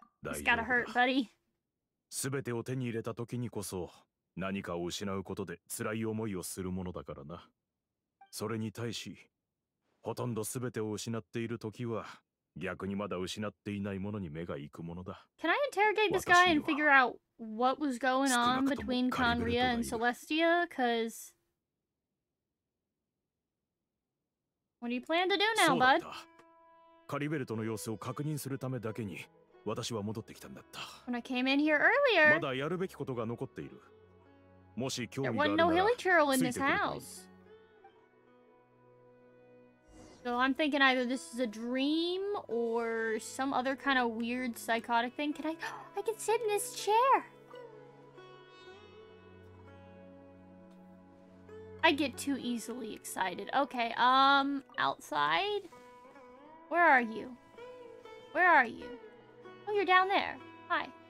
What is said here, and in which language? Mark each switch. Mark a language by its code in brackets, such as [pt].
[en] This gotta hurt, buddy. [ja] すべてを手に入れた時にこそ、何かを失うことで辛い思いをするものだからな。それに対し、ほとんどすべてを失っている時は、逆にまだ失っていないものに目が行くものだ。 [en] Can I interrogate this guy and figure out what was going on between Conria and Celestia? Because... What do you plan to do now, bud? [ja] カリベルトの様子を確認するためだけに私は戻ってきたんだった。 [en] When I came in here earlier, [ja] まだやるべきことが残っている。もし興味があるなら、ついてくれたい。 [en] So I'm thinking either this is a dream or some other kind of weird psychotic thing. I can sit in this chair. I get too easily excited. Okay, outside? Where are you? Where are you? Oh, you're down there. Hi.